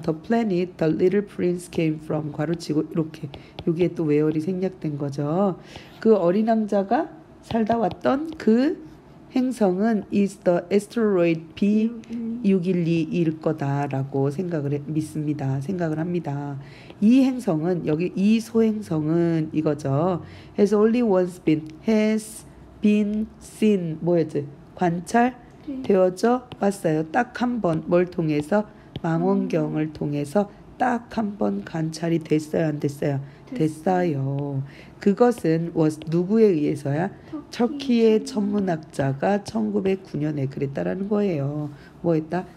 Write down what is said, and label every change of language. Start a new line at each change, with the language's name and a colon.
English: The planet the little prince came from
Korean: 괄호치고 이렇게 여기에 또 외열이 생략된 거죠. 그 어린 왕자가 살다 왔던 그 행성은
English: is the asteroid B612
Korean: 일 거다라고 생각을 믿습니다. 생각을 합니다. 이 행성은 여기 이 소행성은 이거죠.
English: Has only once been has been seen
Korean: 뭐였지? 관찰 되어져 왔어요. 딱 한 번 뭘 통해서 망원경을 통해서 딱 한 번 관찰이 됐어요. 안 됐어요. 됐어요. 그것은
English: was
Korean: 누구에 의해서야? 터키의 천문학자가 1909년에 그랬다라는 거예요. 뭐 했다?